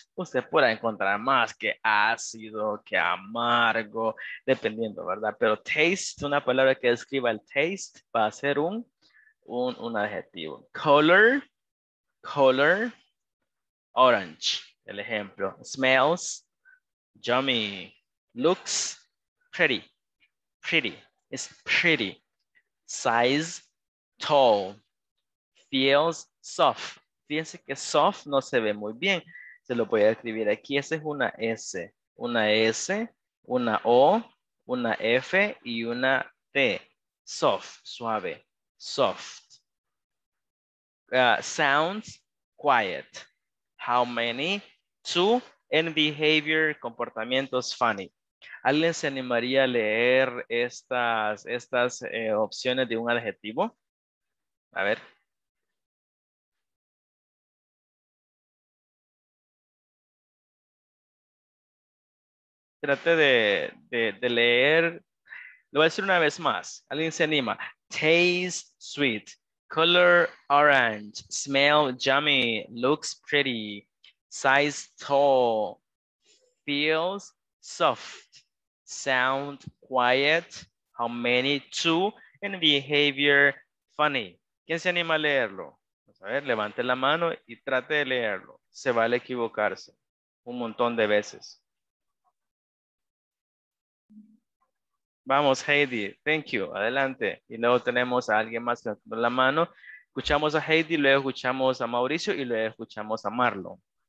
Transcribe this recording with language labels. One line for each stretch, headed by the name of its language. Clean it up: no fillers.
Spanish: Usted puede encontrar más que ácido, que amargo, dependiendo, ¿verdad? Pero taste, una palabra que describa el taste, va a ser un adjetivo.
English: Color, color, orange,
Spanish: el ejemplo.
English: Smells, yummy. Looks, pretty, pretty, it's pretty. Size, tall. Feels, soft.
Spanish: Fíjense que soft no se ve muy bien. Se lo voy a escribir aquí. Esa es una S. Una S, una O, una F y una T.
English: Soft, suave. Soft. Sounds, quiet. How many? Two. And behavior, comportamientos, funny.
Spanish: ¿Alguien se animaría a leer estas opciones de un adjetivo? A ver. Trate de leer, lo voy a decir una vez más, alguien se anima.
English: Taste sweet, color orange, smell yummy, looks pretty, size tall, feels soft, sound quiet, how many, two, and behavior funny.
Spanish: ¿Quién se anima a leerlo? Vamos a ver, levante la mano y trate de leerlo. Se vale equivocarse un montón de veces. Vamos, Heidi,
English: thank you,
Spanish: adelante. Y luego tenemos a alguien más con la mano. Escuchamos a Heidi, luego escuchamos a Mauricio y luego escuchamos a Marlon.